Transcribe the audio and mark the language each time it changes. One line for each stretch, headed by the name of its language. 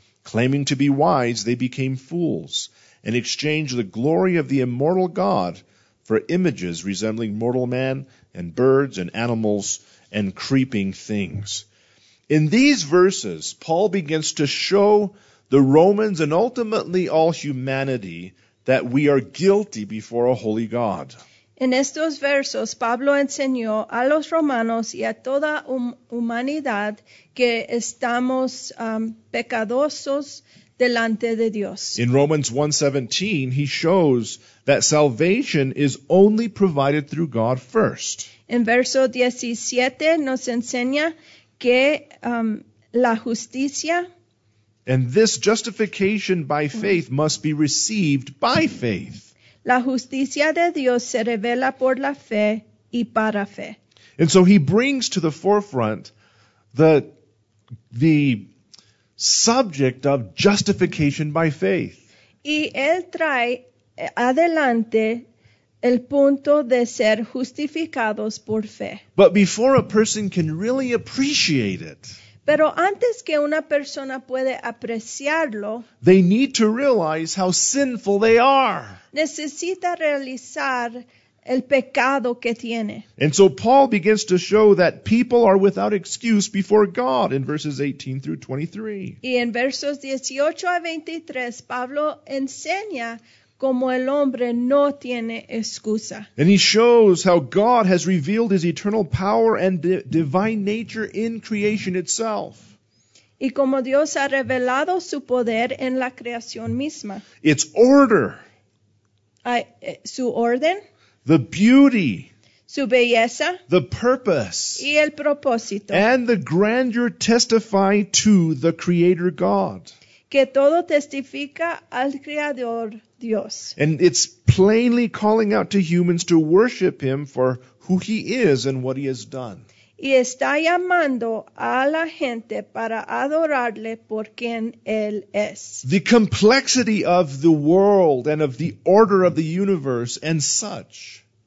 English: Claiming to be wise, they became fools, and exchange the glory of the immortal God for images resembling mortal man and birds and animals and creeping things." In these verses, Paul begins to show the Romans and ultimately all humanity that we are guilty before a holy God.
Spanish: En estos versos, Pablo enseñó a los romanos y a toda humanidad que estamos pecadosos delante de Dios.
English: In Romans 1:17, he shows that salvation is only provided through God first.
Spanish: En verso 17 nos enseña que la justicia,
English: and this justification by faith must be received by faith.
Spanish: La justicia de Dios se revela por la fe y para fe.
English: And so he brings to the forefront the subject of justification by faith.
Spanish: Y él trae adelante el punto de ser justificados por fe.
English: But before a person can really appreciate it,
Spanish: pero antes que una persona puede apreciarlo,
English: they need to realize how sinful they are.
Spanish: Necesita realizar el pecado que tiene.
English: And so Paul begins to show that people are without excuse before God in verses 18 through 23.
Spanish: Y en versos 18 a 23, Pablo enseña como el hombre no tiene excusa.
English: And he shows how God has revealed his eternal power and divine nature in creation itself.
Spanish: Y como Dios ha revelado su poder en la creación misma.
English: Its order.
Spanish: Su orden.
English: The beauty.
Spanish: Su belleza.
English: The purpose.
Spanish: Y el propósito.
English: And the grandeur testify to the Creator God.
Spanish: Que todo testifica al Creador Dios.
English: And it's plainly calling out to humans to worship him for who he is and what he has done.
Spanish: Y está llamando a la gente para adorarle por quien él es.
English: The complexity of the world and of the order of the universe and such.